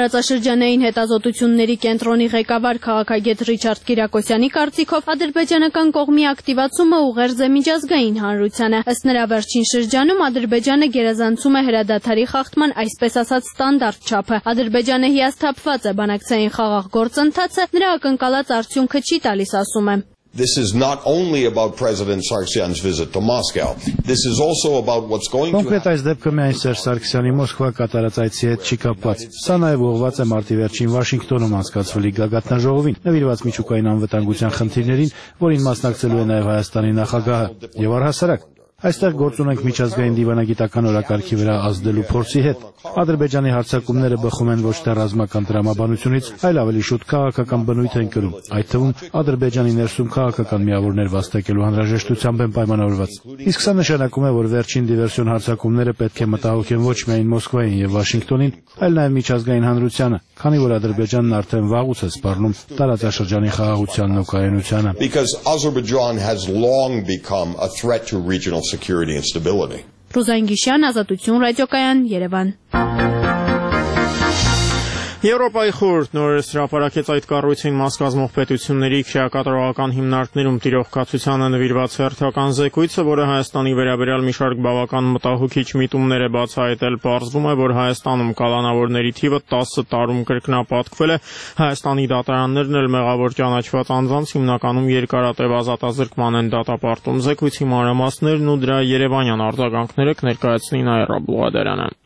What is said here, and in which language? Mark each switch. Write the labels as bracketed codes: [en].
[hy] Տարածաշրջանային հետազոտությունների կենտրոնի ղեկավար քաղաքագետ Ռիչարդ Կիրակոսյանի կարծիքով ադրբեջանական կողմի ակտիվացումը ուղերձ է միջազգային հանրությանը։ Ըստ նրա, վերջին շրջանում Ադրբեջանը գերազանցում է հրադադարի խախտման այսպես ասած ստանդարտ չափը։ Ադրբեջանը հիասթափված է բանակցային խաղաղ գործընթացը, նրա ակնկալած արդյունքը չի տալիս, ասում է։ [en] This is not only about President Sarkisian's visit to Moscow. This is also about what's going to happen. [hy] Կոնկրետ այս դեպքում այն Սերժ Սարգսյանի Մոսկվա կատարած այցի հետ չի կապված։ Սա նաև ուղղված է մարտի վերջին Վաշինգտոնում անցկացվելի գագաթնաժողովին, նվիրված միջուկային անվտանգության խնդիրներին, որին մասնակցելու է նաև Հայաստանի նախագահը, եւ առհասարակ այստեղ գործունենք միջազգային դիվանագիտական օրակարգի վրա ազդելու փորձի հետ։ Ադրբեջանի հարձակումները բխում են ոչ թե ռազմական դրամաբանությունից, այլ ավելի շուտ քաղաքական բնույթ են կրում, այդ թվում Ադրբեջանի ներսում քաղաքական միավորներ վաստակելու անհրաժեշտությամբ են պայմանավորված։ Իսկ սա նշանակում է, որ վերջին դիվերսիոն հարձակումները պետք է մտահոգեն ոչ միայն Մոսկվային եւ Վաշինգտոնին, այլ նաեւ միջազգային հանրությանը, քանի որ Ադրբեջանն արդեն վաղուց է սպառնում տարածաշրջանի խաղաղության նոկայունությանը։ [en] Security and stability. [hy] Ռուսային Գիշյան, Ազատություն Ռադիոկայան, Երևան։ Եվրոպայի խորհուրդ նորերս հրապարակեց այդ կառույցին մասկազմող պետությունների քրեակատարողական հիմնարկներում տիրող կացությանը նվիրված հերթական զեկույցը, որը Հայաստանի վերաբերյալ մի շարք բավական մտահոգիչ միտումներ է բացահայտել, պարզվում է, որ Հայաստանում կալանավորների թիվը 10 տարում կրկնապատկվել է, Հայաստանի դատարաններն էլ մեղավոր ճանաչված անձանց հիմնականում երկարատև ազատազրկման են դատապարտում։ Զեկույցի մանրամասներն ու դրա երևանյան արձագանքները կներկայացնի Նաիրա Բուլադարյանը։